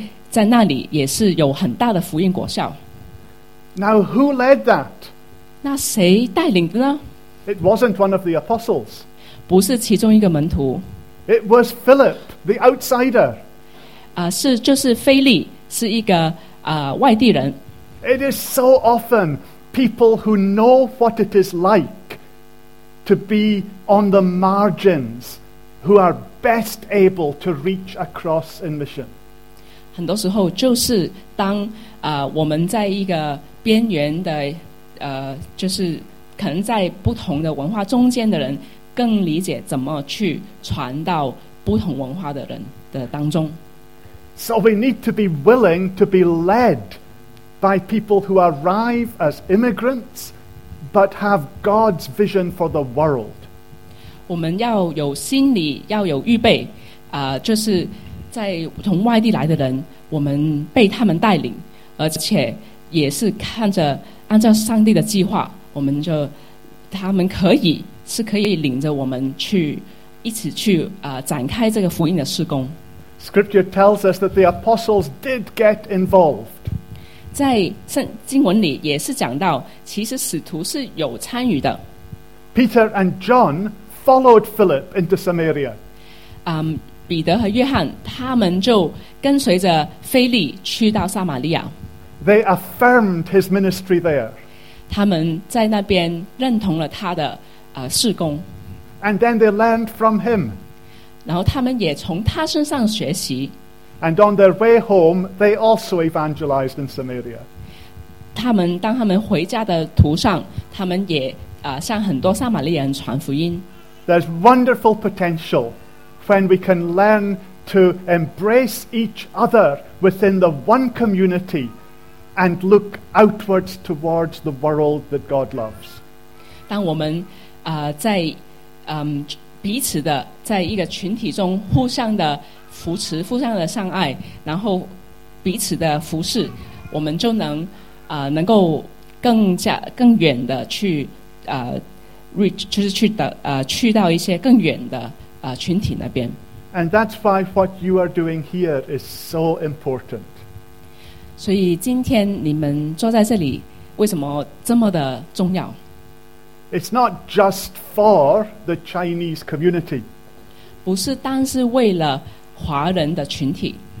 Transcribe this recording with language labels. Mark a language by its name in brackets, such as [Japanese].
[Chinese] 在那里也是有很大的福音果效。 [English] Now who led that? [Chinese] 那谁带领的呢？ [English] It wasn't one of the apostles. [Chinese] 不是其中一个门徒。 [English] It was Philip, the outsider. [Chinese] 就是腓力，是一个外地人。 [English] It is so often people who know what it is like to be on the margins who are best able to reach across in mission. [Chinese] 很多时候就是当我们在一个边缘的就是可能在不同的文化中间的人，更理解怎么去传到不同文化的人的当中。 [English] So we need to be willing to be led by people who arrive as immigrants but have God's vision for the world. [Chinese] 我们要有心理，要有预备，就是在从外地来的人，我们被他们带领，而且也是看着按照上帝的计划，我们就他们可以是可以领着我们去一起去展开这个福音的事工。 [English] Scripture tells us that the apostles did get involved. [Chinese] 在经文里也是讲到，其实使徒是有参与的。 [English] Peter and John followed Philip into Samaria. [Chinese] 彼得和约翰他们就跟随着腓力去到撒玛利亚。 [English] They affirmed his ministry there. [Chinese] 他们在那边认同了他的事工。 [English] And then they learned from him. [Chinese] 然后他们也从他身上学习。 [English] And on their way home, they also evangelized in Samaria. [Chinese] 他们当他们回家的途上，他们也向很多撒玛利亚人传福音。 [English] There's wonderful potential when we can learn to embrace each other within the one community and look outwards towards the world that God loves. [Chinese] 当我们在彼此的在一个群体中互相的扶持，互相的相爱，然后彼此的服侍，我们就能够更远的去reach， 就是去到一些更远的群体那边。 [English] And that's why what you are doing here is so important. [Chinese] 所以今天你们坐在这里，为什么这么的重要？ [English] It's not just for the Chinese community. [Chinese] 不是单是为了华人的群体。